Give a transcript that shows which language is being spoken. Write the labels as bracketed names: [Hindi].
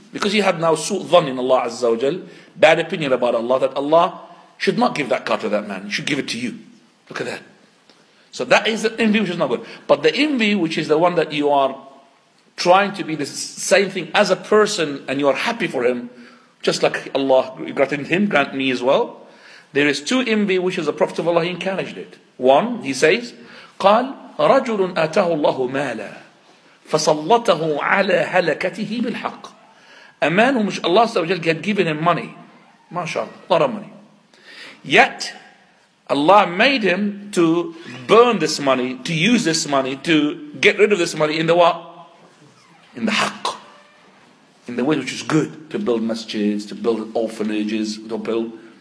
[English] Because you have now su' dhan in Allah Azza wa Jal, bad opinion about Allah, that Allah should not give that car to that man. He should give it to you. Look at that. So that is the envy which is not good. But the envy which is the one that you are trying to be the same thing as a person and you are happy for him, just like Allah granted him, grant me as well. There is two envy which is the Prophet of Allah, he encouraged it. One, he says, [Arabic] قال رجل آتاه الله مالا فسلطه على هلكته بالحق. [English] A man whom Allah had given him money, mashallah, a lot of money. Yet Allah made him to burn this money, to use this money, to get rid of this money in the what? In the haqq. In the way which is good, to build masjids, to build orphanages, to build.